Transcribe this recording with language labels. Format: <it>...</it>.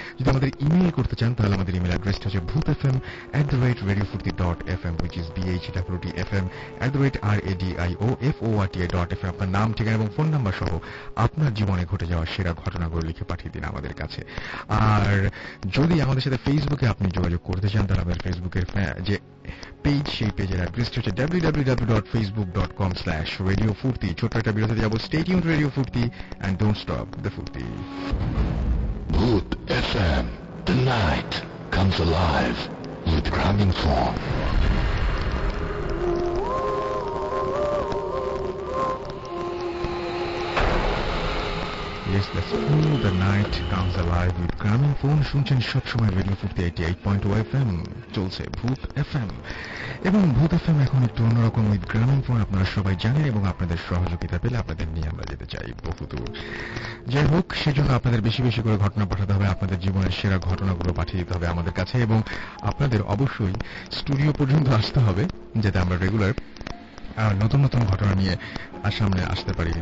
<bn>যদি আমাদের ইমেইল করতে চান তাহলে আমাদের ইমেল অ্যাড্রেসটা হচ্ছে bhootfm@radiofurti.fm,</bn> <en>which is bhootfm@radiofurti.fm,</en> <bn>আপনার নাম, ঠিকানা এবং ফোন নাম্বার সহ আপনার জীবনে ঘটে যাওয়া সেরা ঘটনাগুলো লিখে পাঠিয়ে দিন আমাদের কাছে। আর যদি আমাদের সাথে ফেসবুকে আপনি যোগাযোগ করতে চান তাহলে আমাদের ফেসবুকের যে পেজ, সেই পেজের অ্যাড্রেসটা হচ্ছে www.facebook.com/radiofurti। ছোট একটা বিরতি যাবো,</bn> <en>Stay tuned radio Foorti and don't stop the Foorti. Bhoot FM, the night comes alive with grounding form. Yes, that's true. The night comes alive with cramming phone.</en> <bn>শুনছেন সবসময় রেডিও 48.5 FM, চলছে ভূত FM। এবং ভূত FM এখন একটু অন্যরকম, উইথ গ্রামিং ফোন আপনারা সবাই জানেন, এবং আপনাদের সহযোগিতা পেলে আপনাদের নিয়ে আমরা যেতে চাই বহুদূর। যাই হোক, সেজন্য আপনাদের বেশি বেশি করে ঘটনা পাঠাতে হবে, আপনাদের জীবনের সেরা ঘটনাগুলো পাঠিয়ে দিতে হবে আমাদের কাছে, এবং আপনাদের অবশ্যই স্টুডিও পর্যন্ত আসতে হবে যাতে আমরা রেগুলার নতুন নতুন ঘটনা নিয়ে সামনে আসতে পারি।</bn>